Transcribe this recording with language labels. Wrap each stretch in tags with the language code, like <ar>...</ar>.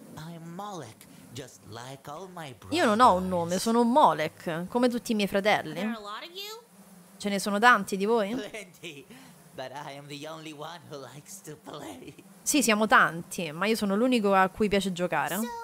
<en>I'm Molech, just like all my brothers.</en> <it>Io non ho un nome, sono un Molech, come tutti i miei fratelli. Ce ne sono tanti di voi?</it> <en>Plenty, but I am the only one who likes to play.</en> <it>Sì, siamo tanti, ma io sono l'unico a cui piace giocare.</it>